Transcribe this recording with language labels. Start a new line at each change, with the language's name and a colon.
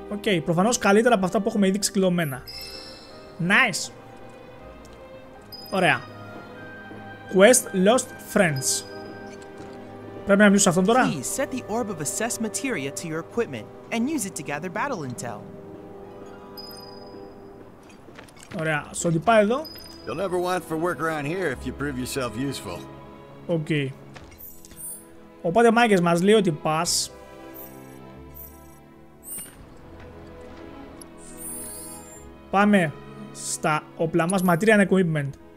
Greek: Οκ, προφανώς καλύτερα από αυτά που έχουμε ήδη ξεκλειδωμένα. Nice! Ωραία. Quest Lost Friends. Πρέπει να μιλήσω σε αυτόν τώρα.
English: Please set the orb of assess materia to your equipment and use it to gather battle intel.
Greek: Ωραία, στον τυπά εδώ.
English: You'll never want for work around here if you prove yourself useful. Okay.
Greek: Οπότε μάγκες μας λέει ότι πας. Πάμε στα όπλα μας,
English: material and equipment.